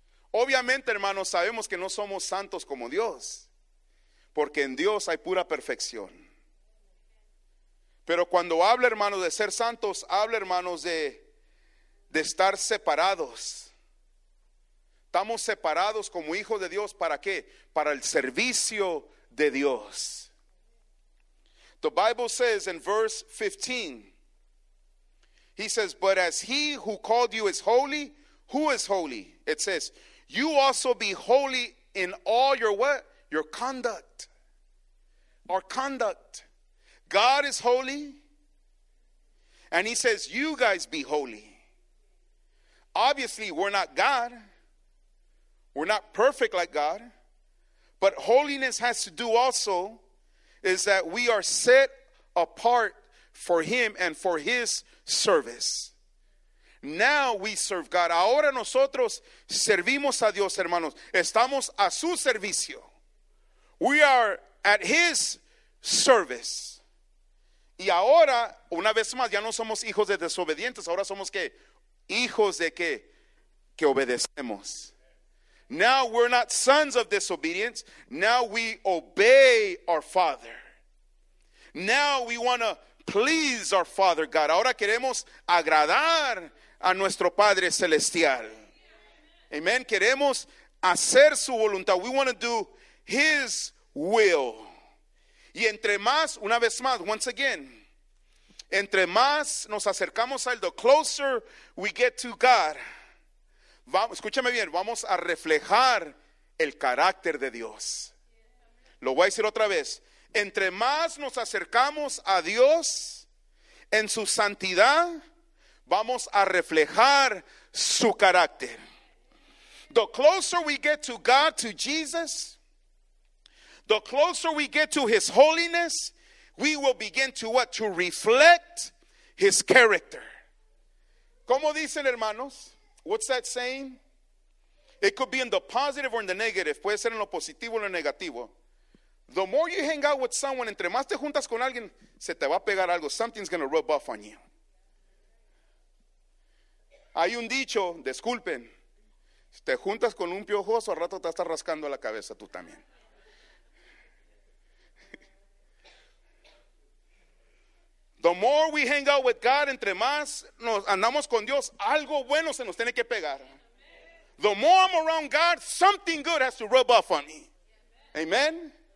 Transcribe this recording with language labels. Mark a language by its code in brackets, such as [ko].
[es] Obviamente, hermanos, sabemos que no somos santos como Dios, porque en Dios hay pura perfección. Pero cuando habla, hermanos, de ser santos, habla, hermanos, de estar separados. Estamos separados como hijos de Dios, ¿para qué? Para el servicio de Dios. [en] The Bible says in verse 15, he says, but as he who called you is holy, who is holy? It says, you also be holy in all your what? Your conduct. Our conduct. God is holy. And he says, you guys be holy. Obviously, we're not God. We're not perfect like God. But holiness has to do also is that we are set apart for him and for his service. Now we serve God. [es] Ahora nosotros servimos a Dios, hermanos. Estamos a su servicio. [en] We are at his service. [es] Y ahora, una vez más, ya no somos hijos de desobedientes. Ahora somos ¿qué? Hijos de ¿qué? Que obedecemos. [en] Now we're not sons of disobedience. Now we obey our Father. Now we want to please our Father God. [es] Ahora queremos agradar a nuestro Padre Celestial. Amen. Queremos hacer su voluntad. [en] We want to do his will. [es] Y entre más, una vez más, [en] once again, [es] entre más nos acercamos a él, [en] the closer we get to God. [es] Vamos, escúchame bien, vamos a reflejar el carácter de Dios. Lo voy a decir otra vez. Entre más nos acercamos a Dios en su santidad, vamos a reflejar su carácter. [en] The closer we get to God, to Jesus, the closer we get to his holiness, we will begin to what? To reflect his character. [es] ¿Cómo dicen, hermanos? [en] What's that saying? It could be in the positive or in the negative. [es] Puede ser en lo positivo o en lo negativo. [en] The more you hang out with someone, [es] entre más te juntas con alguien, se te va a pegar algo. [en] Something's going to rub off on you. [es] Hay un dicho, disculpen. Si te juntas con un piojoso, al rato te estás rascando la cabeza tú también. [en] The more we hang out with God, [es] entre más nos andamos con Dios, algo bueno se nos tiene que pegar. [en] The more I'm around God, something good has to rub off on me. Amen.